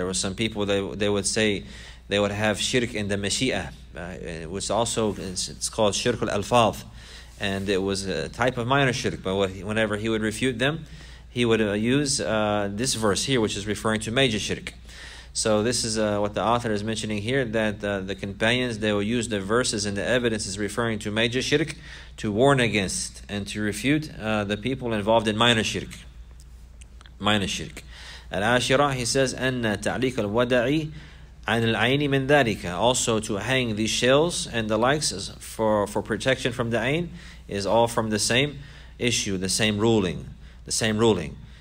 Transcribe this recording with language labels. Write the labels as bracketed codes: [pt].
[en] There were some people, they would say, they would have shirk in the mashi'ah, which also, it's called shirk al-alfaz, and it was a type of minor shirk, but whenever he would refute them, he would use this verse here, which is referring to major shirk. So this is what the author is mentioning here, that the companions, they will use the verses and the evidences referring to major shirk to warn against and to refute the people involved in minor shirk. Minor shirk. [ar] Al-Ashirah, [en] he says, [ar] أَنَّ تَعْلِيكَ الْوَدَعِي عَنِ الْعَيْنِ مِنْ ذَلِكَ. [en] Also to hang these shells and the likes for protection from the ayn is all from the same issue, the same ruling. The same ruling.